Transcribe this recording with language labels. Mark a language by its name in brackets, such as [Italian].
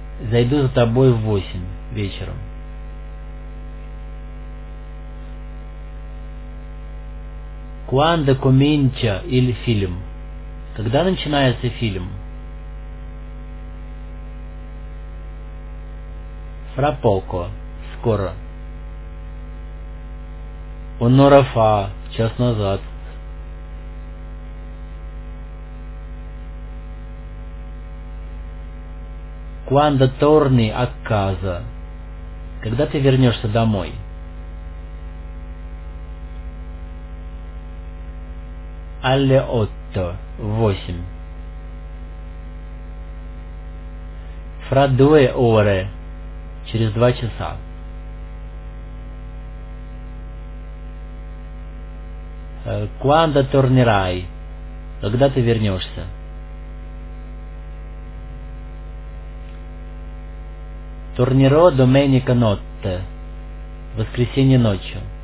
[Russian] Зайду за тобой в 8 вечером. [Italian] Quando comincia il film? [Russian] Когда начинается фильм? [Italian] Fra poco. [Russian] Скоро. [Italian] Un'ora fa. [Russian] Час назад. [Italian] quando torni a casa, [Russian] когда ты вернешься домой. [Italian] Alle otto, 8. Fra due ore, [Russian] через 2 часа. [Italian] Quando tornerai, [Russian] когда ты вернешься. [Italian] Tornerò domenica notte, [Russian] воскресенье ночью.